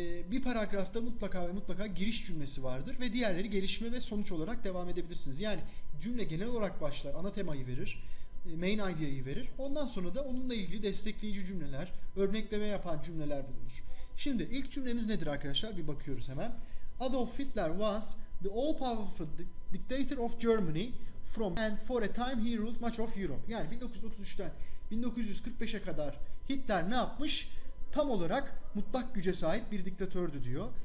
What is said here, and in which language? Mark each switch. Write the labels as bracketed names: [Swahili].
[Turkish] Bir paragrafta mutlaka ve mutlaka giriş cümlesi vardır ve diğerleri gelişme ve sonuç olarak devam edebilirsiniz. Yani cümle genel olarak başlar, ana temayı verir, main idea'yı verir. Ondan sonra da onunla ilgili destekleyici cümleler, örnekleme yapan cümleler bulunur. Şimdi ilk cümlemiz nedir arkadaşlar? Bir bakıyoruz hemen. [English] Adolf Hitler was the all-powerful dictator of Germany from and for a time he ruled much of Europe. [Turkish] Yani 1933'ten 1945'e kadar Hitler ne yapmış? Tam olarak mutlak güce sahip bir diktatördü diyor.